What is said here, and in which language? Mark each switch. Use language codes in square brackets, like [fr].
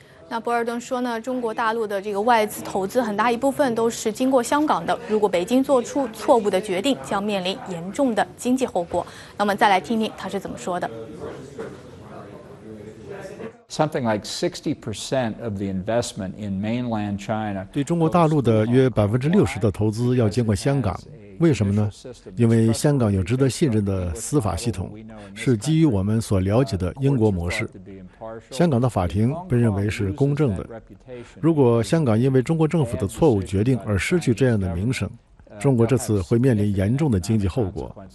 [zh] 那博尔顿说呢，中国大陆的这个外资投资很大一部分都是经过香港的，如果北京做出错误的决定，将面临严重的经济后果。那么再来听听他是怎么说的。 [en] Something like 60% of the investment in mainland China. [zh] 对中国大陆的约60%的投资要经过香港，为什么呢？因为香港有值得信任的司法系统，是基于我们所了解的英国模式。香港的法庭被认为是公正的。如果香港因为中国政府的错误决定而失去这样的名声，中国这次会面临严重的经济后果。